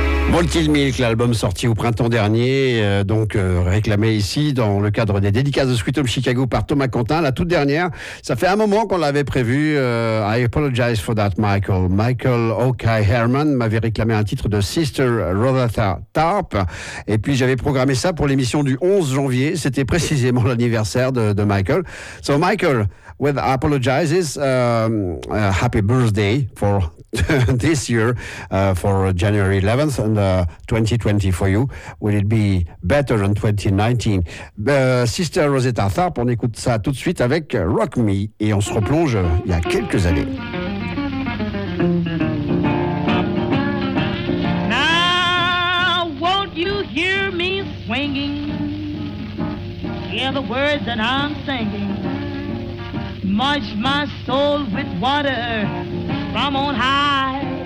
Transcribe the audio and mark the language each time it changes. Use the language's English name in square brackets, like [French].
[French] Molten Milk, l'album sorti au printemps dernier, réclamé ici dans le cadre des dédicaces de Sweet Home Chicago par Thomas Quentin, la toute dernière. Ça fait un moment qu'on l'avait prévu. [English] I apologize for that, Michael. [French] Michael O'Kai Herman m'avait réclamé un titre de Sister Rosetta Tharpe. Et puis j'avais programmé ça pour l'émission du 11 janvier. C'était précisément l'anniversaire de Michael. [English] So Michael, with apologizes, happy birthday for this year, for January 11th and 2020 for you. Will it be better than 2019? [French] Sister Rosetta Tharpe, on écoute ça tout de suite avec Rock Me et on se replonge il y a quelques années. [English] Now, won't you hear me swinging? Hear the words that I'm singing. Mush my soul with water from on high.